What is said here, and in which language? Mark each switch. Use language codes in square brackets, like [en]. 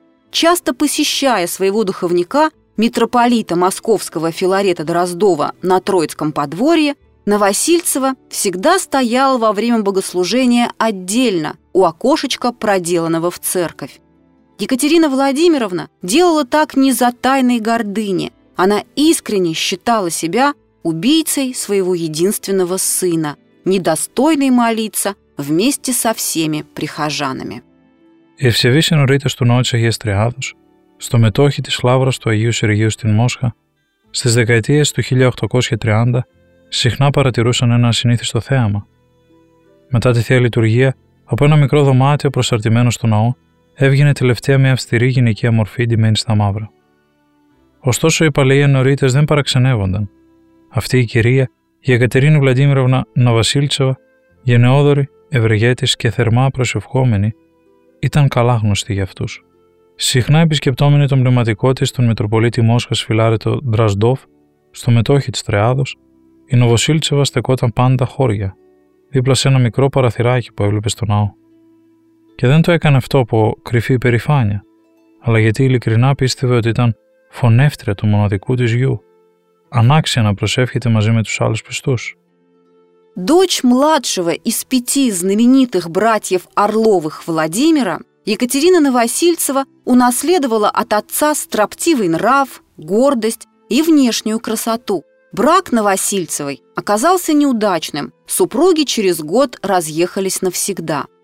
[ru] Часто посещая своего духовника, митрополита московского Филарета Дроздова на Троицком подворье, Новосильцева всегда стояла во время богослужения отдельно у окошечка, проделанного в церковь. Екатерина Владимировна делала так не из-за тайной гордыни, она искренне считала себя убийцей своего единственного сына, недостойной молиться вместе со всеми прихожанами. [el] Η Ευσεβής Συνωρήτης του Νότης Αγίας Τριάδος, στο μετόχι της Λαύρας του Αγίου Σεργίου στην Μόσχα, στις δεκαετίες του 1830, συχνά παρατηρούσαν ένα ασυνήθιστο θέαμα. Μετά τη Θεία Λειτουργία, από ένα μικρό δωμάτιο προσαρτημένο στο ναό, έβγαινε τελευταία μια αυστηρή γυναικεία μορφή ντυμένη στα μαύρα. Ωστόσο, οι παλαιοί Ενωρίτες δεν παραξενεύονταν. Αυτή η κυρία, η Εκατερίνη Βλαντίμιροβνα Νοβασίλτσεβα, γενναιόδορη, ευεργέτης και θερμά προσευχόμενη, ήταν καλά γνωστή για αυτούς. Συχνά επισκεπτόμενη τον πνευματικό της, τον Μητροπολίτη Μόσχας Φιλάρετο Δραζντόφ, στο μετόχι της Τριάδος, η Νοβασίλτσεβα στεκόταν πάντα χώρια, δίπλα σε ένα μικρό παραθυράκι που έβλεπε στο ναό. Και δεν το έκανε αυτό από κρυφή υπερηφάνεια, αλλά γιατί ειλικρινά πίστευε ότι ήταν φωνεύτρια του μοναδικού της γιού. Ανάξια να προσεύχεται μαζί με τους άλλους πιστούς. [ru] Дочь младшего из пяти знаменитых братьев Орловых Владимира, Екатерина Новосильцева унаследовала от отца строптивый нрав, гордость и внешнюю красоту. Брак Новосильцевой оказался неудачным, супруги через год разъехались навсегда.